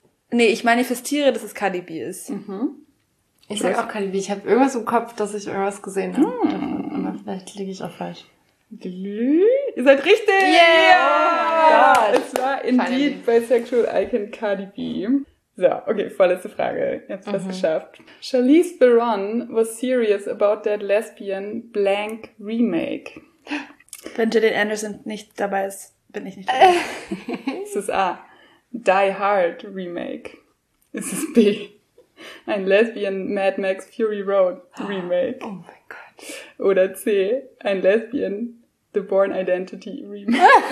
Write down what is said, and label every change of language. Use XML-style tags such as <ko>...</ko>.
<de>Nee, ich manifestiere, dass es Cardi B ist. Ich sage auch Cardi B. Ich habe irgendwas im Kopf, dass ich irgendwas gesehen habe. Aber vielleicht liege ich auch falsch. Ihr seid richtig! Yeah! Oh, es war</de> <en>indeed Bisexual Icon</en> <de>Cardi B. So, okay, vorletzte Frage. Jetzt fast geschafft.</de> <en>Charlize Theron was serious about that lesbian blank remake.</en> <de>Wenn Gillian Anderson nicht dabei ist, bin ich nicht dabei. Ist es A, Die Hard Remake? Ist es B, ein Lesbian Mad Max Fury Road Remake? Oh mein Gott. Oder C, ein Lesbian The Bourne Identity Remake?</de>